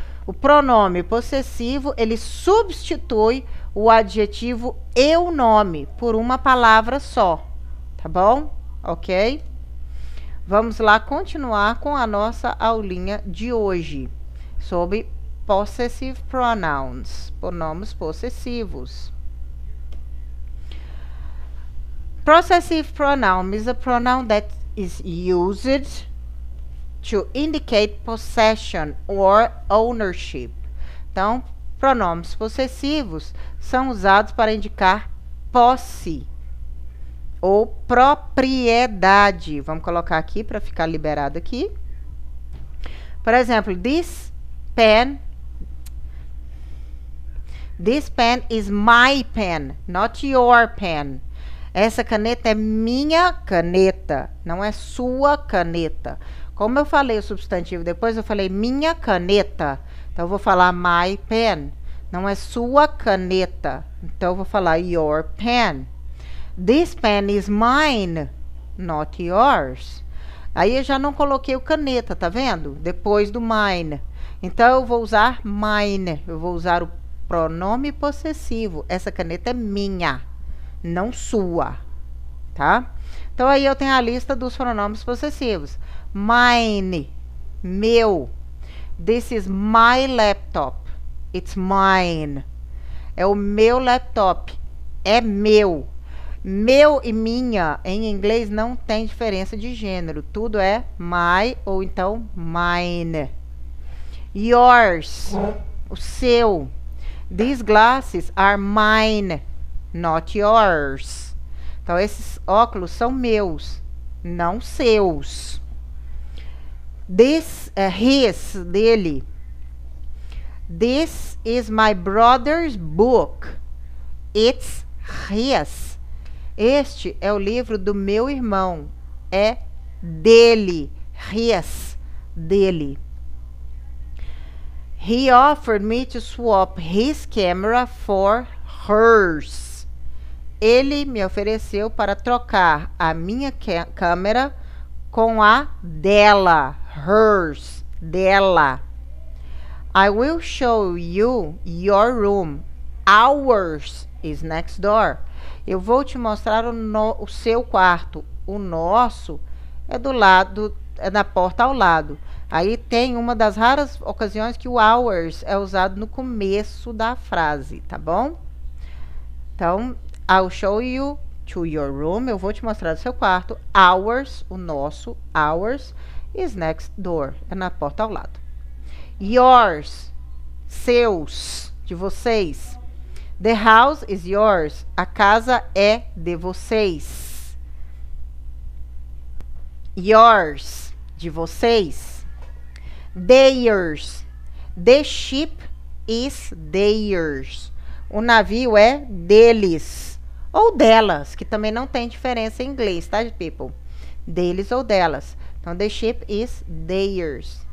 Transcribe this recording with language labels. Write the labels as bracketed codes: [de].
[pt] O pronome possessivo, ele substitui o adjetivo e o nome por uma palavra só, tá bom? Ok? Vamos lá continuar com a nossa aulinha de hoje sobre [en] possessive pronouns, [pt] pronomes possessivos. [en] Possessive pronoun is a pronoun that is used to indicate possession or ownership. [pt] Então, pronomes possessivos são usados para indicar posse ou propriedade. Vamos colocar aqui para ficar liberado aqui. Por exemplo, [en] this pen is my pen, not your pen. [pt] Essa caneta é minha caneta, não é sua caneta. Como eu falei o substantivo depois, eu falei minha caneta. Então eu vou falar [en] my pen. [pt] Não é sua caneta. Então eu vou falar [en] your pen. This pen is mine, not yours. [pt] Aí eu já não coloquei o caneta, tá vendo? Depois do mine. Então eu vou usar mine. Eu vou usar o pronome possessivo. Essa caneta é minha, não sua, tá? Então aí eu tenho a lista dos pronomes possessivos. [en] Mine, [pt] meu. [en] This is my laptop. It's mine. [pt] É o meu laptop. É meu. Meu e minha em inglês não tem diferença de gênero. Tudo é my ou então mine. [en] Yours, [pt] o seu. [en] These glasses are mine, not yours. [pt] Então esses óculos são meus, não seus. [en] This [pt] é [en] his, [pt] dele. [en] This is my brother's book. It's his. [pt] Este é o livro do meu irmão. É dele. [en] His. [pt] Dele. [en] He offered me to swap his camera for hers. [pt] Ele me ofereceu para trocar a minha câmera com a dela. [en] Hers. [pt] Dela. [en] I will show you your room. Ours is next door. [pt] Eu vou te mostrar o seu quarto. O nosso é do lado, é na porta ao lado. Aí tem uma das raras ocasiões que o ours é usado no começo da frase, tá bom? Então, [en] I'll show you to your room. [pt] Eu vou te mostrar o seu quarto. [en] Ours, [pt] o nosso, [en] ours is next door. [pt] É na porta ao lado. [en] Yours, [pt] seus, de vocês. [en] The house is yours. [pt] A casa é de vocês. [en] Yours, [pt] de vocês. [en] theirs. The ship is theirs. [pt] O navio é deles. Ou delas, que também não tem diferença em inglês, tá, [en] people? [pt] Deles ou delas. [en] Então, the ship is theirs.